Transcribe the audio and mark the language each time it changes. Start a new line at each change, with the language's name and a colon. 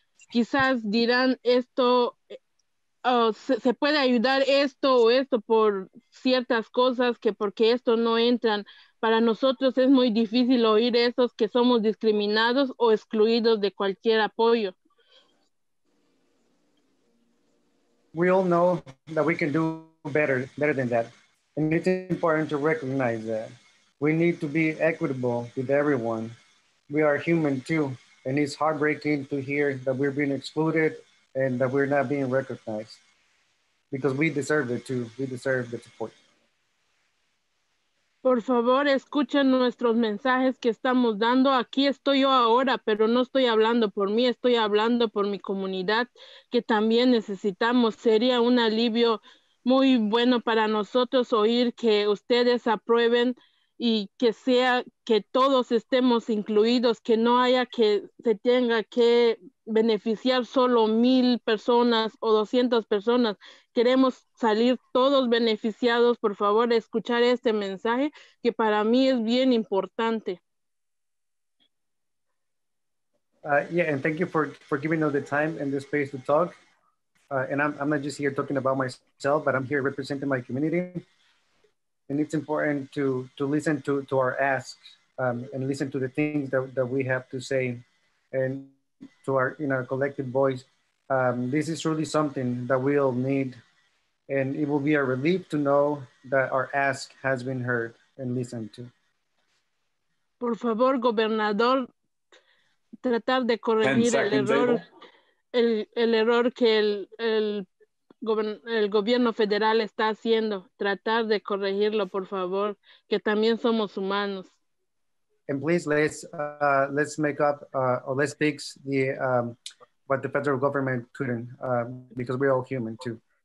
Spanish: Quizás dirán esto, se puede ayudar esto o esto por ciertas cosas que porque esto no entran. Para nosotros es muy difícil oír esos que somos discriminados o excluidos de cualquier apoyo.
English: We all know that we can do better than that. And it's important to recognize that. We need to be equitable with everyone. We are human too. And it's heartbreaking to hear that we're being excluded and that we're not being recognized. Because we deserve it too. We deserve the support.
Spanish: Por favor, escuchen nuestros mensajes que estamos dando. Aquí estoy yo ahora, pero no estoy hablando por mí, estoy hablando por mi comunidad, que también necesitamos. Sería un alivio muy bueno para nosotros oír que ustedes aprueben y que sea que todos estemos incluidos, que no haya que se tenga que beneficiar solo 1,000 personas o 200 personas. Queremos salir todos beneficiados. Por favor, escuchar este mensaje que para mí es bien importante.
English: Yeah, and thank you for giving us the time and the space to talk. And I'm not just here talking about myself, but I'm here representing my community. And it's important to listen to our asks and listen to the things that we have to say and to our in our collective voice. This is truly something that we all need. And it will be a relief to know that our ask has been heard and listened to.
Spanish: Por favor, gobernador, tratar de corregir el error que el gobierno federal está haciendo. Tratar de corregirlo, por favor, que también somos humanos.
English: And please let's make up or let's fix the what the federal government couldn't because we're all human too.